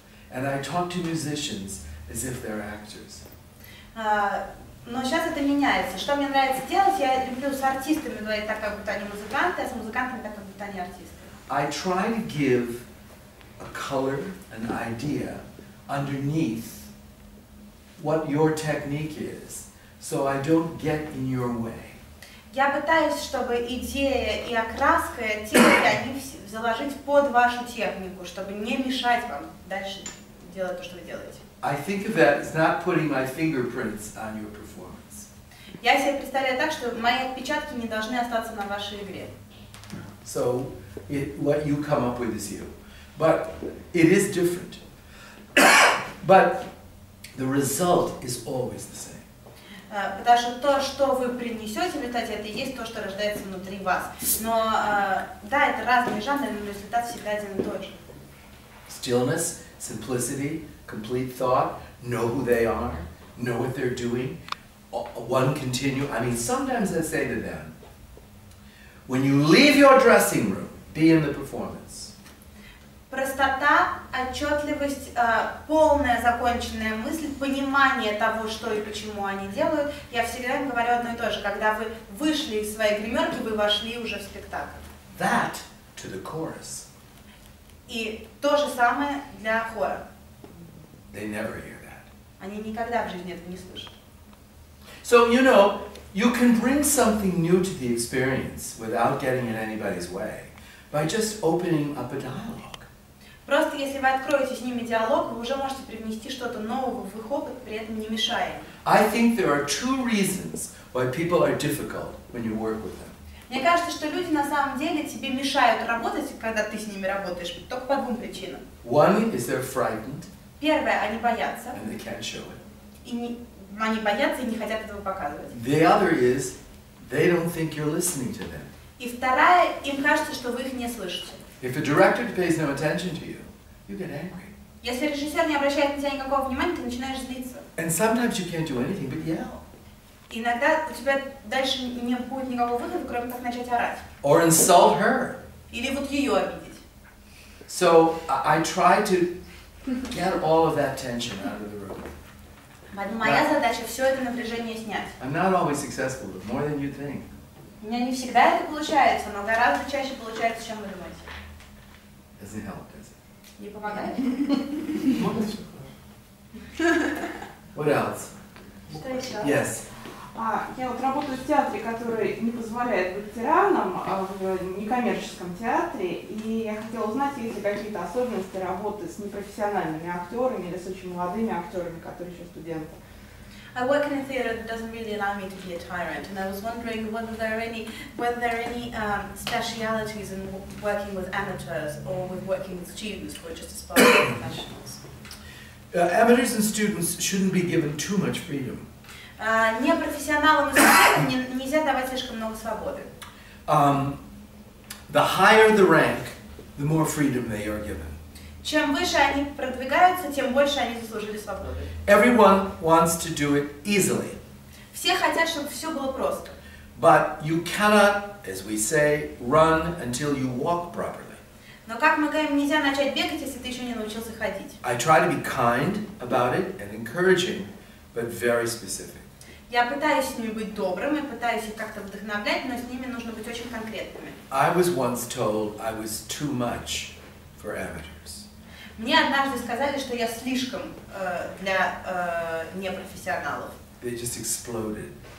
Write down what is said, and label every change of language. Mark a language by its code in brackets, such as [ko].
[en] And I talk to musicians as if they're actors. [ru] Но сейчас это меняется. Что мне нравится делать, я люблю с артистами говорить так, как будто они музыканты, а с музыкантами так, как будто они артисты. [en] I try to give a color, an idea, underneath what your technique is, so I don't get in your way. [ru] Я пытаюсь, чтобы идея и окраска техники, они заложить под вашу технику, чтобы не мешать вам дальше делать то, что вы делаете. [en] I think of that as not putting my fingerprints on your performance. [ru] Я себе представляю так, что мои отпечатки не должны остаться на вашей игре. [en] So, what you come up with is you. But it is different. But the result is always the same. [ru] Потому что то, что вы принесете в результате, это и есть то, что рождается внутри вас. Но да, это разные жанры, но результат всегда один и тот же. [en] Stillness, simplicity, complete thought, know who they are, know what they're doing, one continue. I mean, sometimes I say to them, when you leave your dressing room, be in the performance. [ru] Простота, отчетливость, полная законченная мысль, понимание того, что и почему они делают. Я всегда им говорю одно и то же. Когда вы вышли из своей гримерки, вы вошли уже в спектакль. [en] That to the chorus. [ru] И то же самое для хора. [en] They never hear that. [ru] Они никогда в жизни этого не слышат. [en] So, you know, you can bring something new to the experience without getting in anybody's way by just opening up a dialogue. [ru] Просто если вы откроете с ними диалог, вы уже можете привнести что-то нового в их опыт, при этом не мешая. [en] I think there are two reasons why people are difficult when you work with them. [ru] Мне кажется, что люди на самом деле тебе мешают работать, когда ты с ними работаешь, только по двум причинам. [en] One is they're frightened. [ru] Первое, они боятся. [en] And they can't show it. [ru] И они боятся и не хотят этого показывать. [en] The other is they don't think you're listening to them. [ru] И вторая, им кажется, что вы их не слышите. [en] If a director pays no attention to you, you get angry. [ru] Если режиссер не обращает на тебя никакого внимания, ты начинаешь злиться. [en] And sometimes you can't do anything but yell. [ru] Иногда у тебя дальше не будет никакого выхода, кроме как начать орать. [en] Or insult her. [ru] Или вот ее обидеть. [en] So I try to get all of that tension out of the room. [ru] Моя задача все это напряжение снять. [en] I'm not always successful, but more than you think. [ru] У меня не всегда это получается, но гораздо чаще получается, чем вы думаете. [en] Doesn't help, does it? [ru] Не помогает. [en] What else? [ru] Что еще? [en] Yes. [ru] Я вот работаю в театре, который не позволяет ветеранам, в некоммерческом театре, и я хотела узнать, есть ли какие-то особенности работы с непрофессиональными актерами или с очень молодыми актерами, которые еще студенты. [en] I work in a theater that doesn't really allow me to be a tyrant, and I was wondering whether there are any specialities in working with amateurs or with working with students who are just aspiring professionals. Amateurs and students shouldn't be given too much freedom. [ru] Непрофессионалам и студентам нельзя давать слишком много свободы. [en] The higher the rank, the more freedom they are given. [ru] Чем выше они продвигаются, тем больше они заслужили свободы. [en] Everyone wants to do it easily. [ru] Все хотят, чтобы все было просто. [en] But you cannot, as we say, run until you walk properly. [ru] Но как мы говорим, нельзя начать бегать, если ты еще не научился ходить. [en] I try to be kind about it and encouraging, but very specific. [ru] Я пытаюсь с ними быть добрым и пытаюсь их как-то вдохновлять, но с ними нужно быть очень конкретными. [en] I was once told I was too much for amateur. [ru] Мне однажды сказали, что я слишком для непрофессионалов. [en] They just exploded.